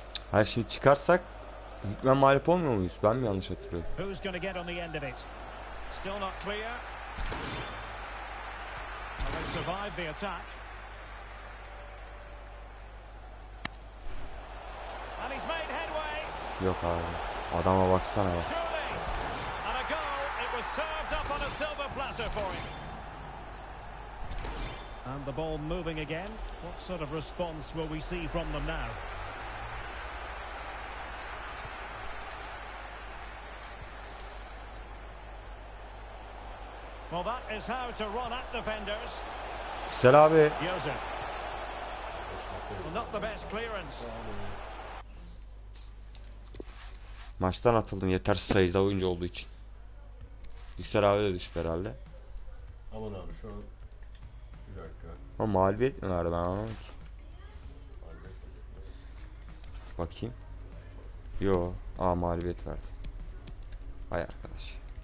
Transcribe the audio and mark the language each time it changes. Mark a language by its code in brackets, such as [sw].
[tr] Ha şimdi çıkarsak hükmen mağlup olmuyor muyuz? Ben mi yanlış hatırlıyorum? [en] Who's gonna get on the end of it? Still not clear. And they survived the attack. And he's made headway. [tr] Yok abi. Adama baksana ya. [en] And a goal. It was served up on a silver platter for him. And the ball moving again. What sort of response will we see from them now? Well, that is how to run at defenders. [tr] Sel abi. [en] Joseph. Well, not the best clearance. [tr] Maçtan atıldın yetersiz sayıda oyuncu olduğu için. Yüksel abi de düştü herhalde. Aman abi şu an bir dakika. Ama mağlubiyet mi vardı, ben anlamadım ki. Bakayım. Yo. Aa, mağlubiyet verdi. Vay arkadaş.